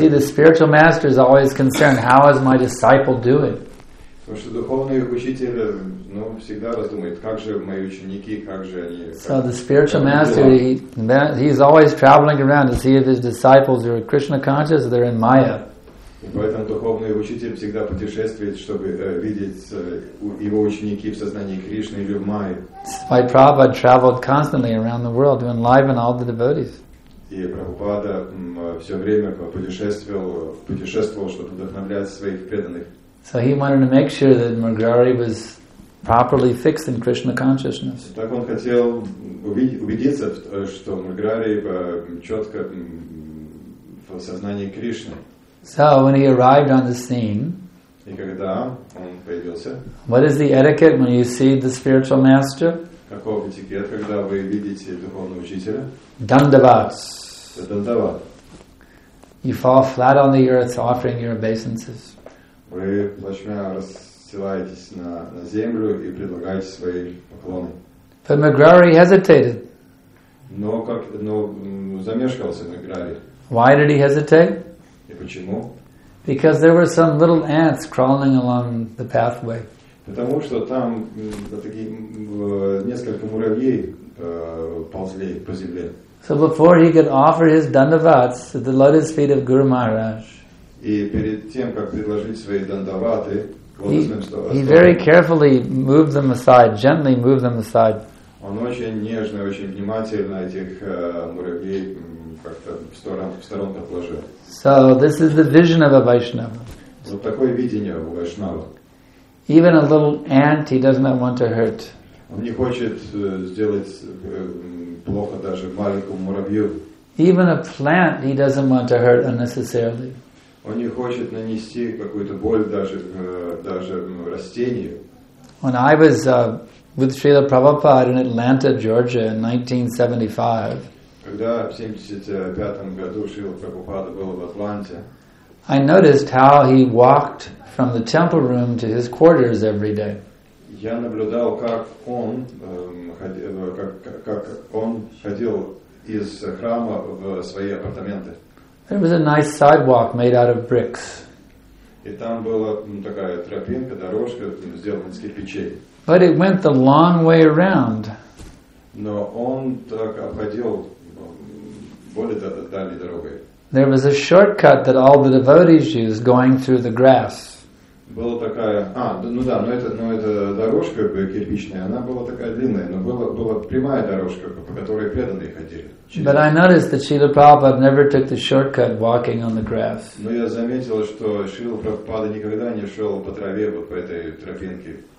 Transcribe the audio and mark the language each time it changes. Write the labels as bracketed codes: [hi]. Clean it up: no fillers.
[en] You see, the spiritual master is always concerned, how is my disciple doing? [ru] Потому что духовный учитель, ну, всегда раздумывает, как же мои ученики, как же они. [en] So the spiritual master, he's always traveling around to see if his disciples are Krishna conscious or they're in Maya. [ru] И поэтому духовный учитель всегда путешествует, чтобы видеть его ученики в сознании Кришны или в Майе. [en] My Prabhupada traveled constantly around the world to enliven all the devotees. [ru] И Прабхупада все время путешествовал, чтобы вдохновлять своих преданных. [en] So he wanted to make sure that Magrari was properly fixed in Krishna consciousness. [ru] Так он хотел убедиться, что Маграри четко в сознании Кришны. [en] So when he arrived on the scene, [ru] и когда он появился, [en] what is the etiquette when you see the spiritual master? [ru] Каков этикет, когда вы видите духовного учителя? Дандават. Дандават. [en] You fall flat on the earth, offering your obeisances. [ru] Вы плашмя рассеваетесь на землю и предлагаете свои поклоны. [en] But Magrari hesitated. [ru] Но замешкался Маграри. [en] Why did he hesitate? [ru] Почему? [en] Because there were some little ants crawling along the pathway. [ru] Потому что там несколько муравьей ползли по земле. [en] So before he could offer his dandavats at the lotus feet of Guru Maharaj, [ru] и перед тем, как предложить свои дандаваты, [en] he very carefully moved them aside, gently moved them aside. [ru] Он очень нежно, очень внимательно этих муравьей как-то в сторону отложил. [en] So this is the vision of a Vaishnava. [ru] Вот такое видение у Вайшнава. [en] Even a little ant he does not want to hurt. [ru] Он не хочет сделать плохо даже маленькому муравью. [en] Even a plant he doesn't want to hurt unnecessarily. [ru] Он не хочет нанести какую-то боль даже растению. [en] When I was with Srila Prabhupada in Atlanta, Georgia in 1975, [ru] когда в 1975 году Шрила Прабхупада был в Атланте, [en] I noticed how he walked from the temple room to his quarters every day. [ru] Я наблюдал, как он ходил из храма в свои апартаменты. [en] It was a nice sidewalk made out of bricks. [ru] И там была такая тропинка, дорожка, сделанная из кирпичей. [en] But it went the long way around. [ru] Но он так обходил более дальней дорогой. [en] There was a shortcut that all the devotees used going through the grass. [ru] Была такая, но эта дорожка кирпичная, она была такая длинная, но была прямая дорожка, по которой преданные ходили. [en] But I noticed that Srila Prabhupada never took the shortcut walking on the grass. [ru] Но я заметил, что Шрила Прабхупада никогда не шел по траве вот по этой тропинке.